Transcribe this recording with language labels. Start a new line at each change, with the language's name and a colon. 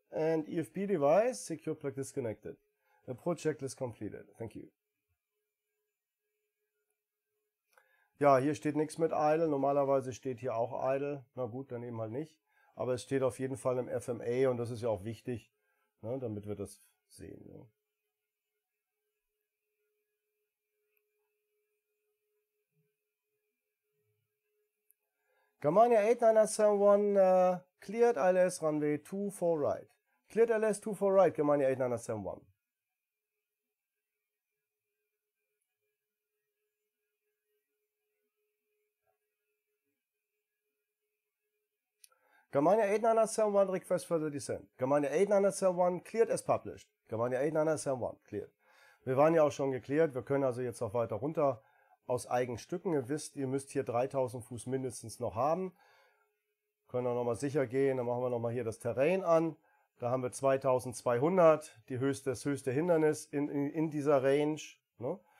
English: And EFB Device. Secure Plug Disconnected. Approach Checklist completed. Thank you.
German: Ja, hier steht nichts mit Idle. Normalerweise steht hier auch Idle. Na gut, dann eben halt nicht. Aber es steht auf jeden Fall im FMA und das ist ja auch wichtig, ne, damit wir das sehen.
English: Germania 8971 cleared ILS runway 24 right. Cleared ILS 24 right, Germania 8971. Germania 8971 request further descent. Germania 8971 cleared as published. Germania 8971 cleared.
German: Wir waren ja auch schon geklärt, wir können also jetzt auch weiter runter aus eigenen Stücken. Ihr wisst, ihr müsst hier 3000 Fuß mindestens noch haben. Können auch noch mal sicher gehen, dann machen wir noch mal hier das Terrain an. Da haben wir 2200, das höchste Hindernis in dieser Range, ne?